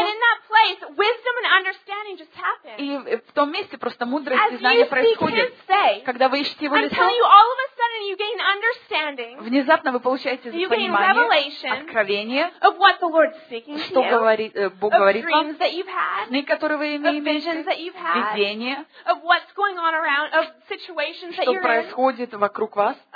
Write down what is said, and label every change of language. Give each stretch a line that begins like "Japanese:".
English: And in that place, wisdom and understanding just happen.
Russian: И в том месте просто мудрость и знание происходит. Когда вы ищете его лицо.
English: I'm telling you, all of a sudden you gain understanding.
Russian: Внезапно вы получаете понимание, откровение.
English: Of what the Lord's speaking to you.
Russian: Что говорит Бог говорит вам.
English: Of dreams that you've had.
Russian: Сны, которые вы имеете.
English: Of visions that you've had.
Russian: Видения.
English: Of what's going on around. Of situations that you're in.
Russian: Что происходит вокруг вас.